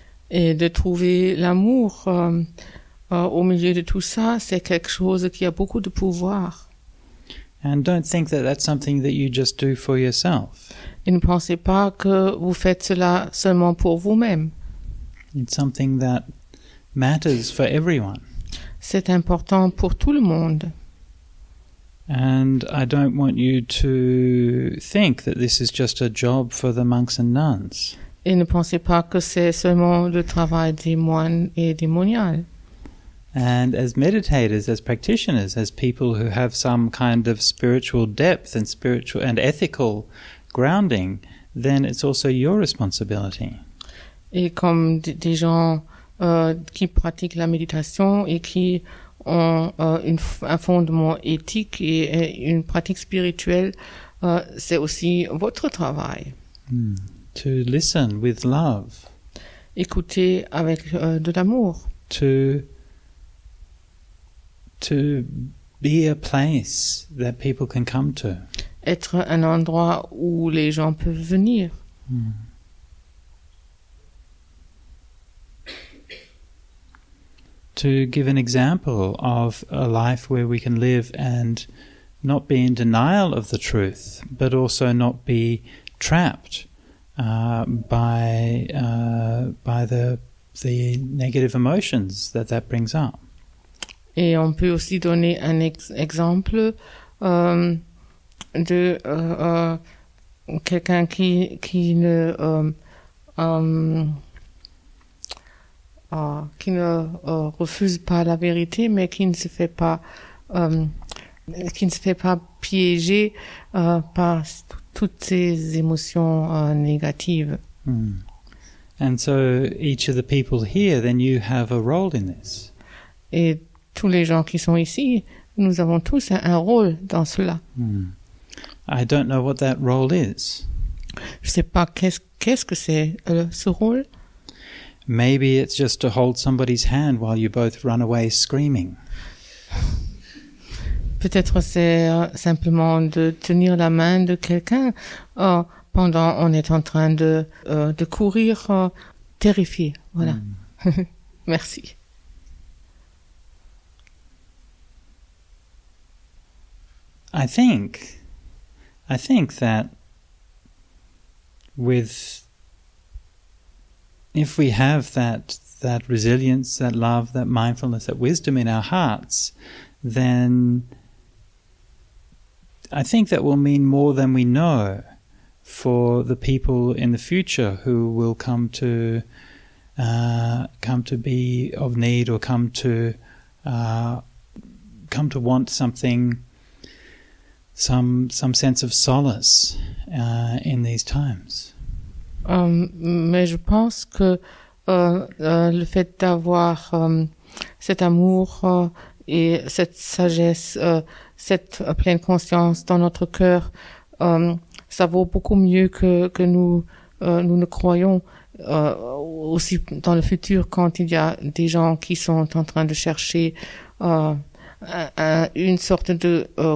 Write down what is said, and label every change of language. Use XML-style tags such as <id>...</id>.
<fr>Et de trouver l'amour au milieu de tout ça, c'est quelque chose qui a beaucoup de pouvoir.</fr> <en>And don't think that that's something that you just do for yourself.</en> <fr>Et ne pensez pas que vous faites cela seulement pour vous-même.</fr> <en>It's something that matters for everyone.</en> <fr>C'est important pour tout le monde.</fr> <en>And I don't want you to think that this is just a job for the monks and nuns.</en> <fr>Et ne pensez pas que c'est seulement le travail des moines et des moniales.</fr> <en>And as meditators, as practitioners, as people who have some kind of spiritual depth and spiritual and ethical grounding, then it's also your responsibility.</en> <fr>Et comme des gens qui pratiquent la méditation et qui ont un fondement éthique et une pratique spirituelle, c'est aussi votre travail.</fr> <en>To listen with love.</en> <fr>Écouter avec de l'amour.</fr> <en>To be a place that people can come to.</en> <fr>Être un endroit où les gens peuvent venir.</fr> <en>To give an example of a life where we can live and not be in denial of the truth, but also not be trapped by the negative emotions that that brings up.</en> <fr>Et on peut aussi donner un exemple de quelqu'un qui ne refuse pas la vérité, mais qui ne se fait pas piéger par toutes ces émotions négatives.</fr> <en>And so each of the people here, then you have a role in this.</en> <fr>Et tous les gens qui sont ici, nous avons tous un rôle dans cela.</fr> <en>I don't know what that role is.</en> <fr>Je ne sais pas qu'est-ce que c'est ce rôle.</fr> <en>Maybe it's just to hold somebody's hand while you both run away screaming.</en> <fr>Peut-être c'est simplement de tenir la main de quelqu'un pendant on est en train de courir terrifié. Voilà. Merci.</fr> <en>I think that with if we have that resilience, that love, that mindfulness, that wisdom in our hearts, then I think that will mean more than we know for the people in the future who will come to be of need or come to want something, some sense of solace in these times.</en> <fr>Mais je pense que le fait d'avoir cet amour et cette sagesse, cette pleine conscience dans notre cœur, ça vaut beaucoup mieux que nous ne croyons aussi dans le futur quand il y a des gens qui sont en train de chercher une sorte de</fr>